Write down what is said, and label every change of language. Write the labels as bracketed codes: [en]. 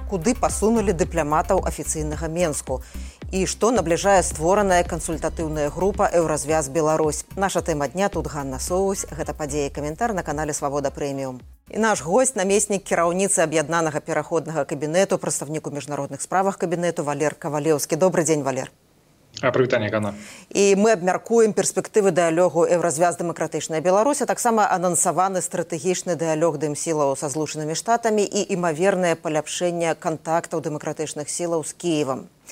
[be] Куды пасунули дыпламатаў офіцыйнага Менску? [ru] И что [be] набліжае створаная консультативная группа «Евразвяз Беларусь». Наша тема дня тут Ганна Соус. Гэта падзея і каментар на канале «Свабода Прэміум». И наш гость – намеснік кіраўніцы аб'яднанага пераходнага кабінету, прадстаўнік у міжнародных справах кабінету Валер Кавалеўскі. [ru] Добрый день, Валер. [be] Привітанне, Ганна. І мы абмяркуем перспектывы дыялогу «Евразвяз Демократычная Беларусь», а таксама анансаваны стратэгічны дыялог дым-сілаў са Злучанымі Штатамі і імавернае паляпшэнне кантактаў дэмакратычных сілаў з Кіевам.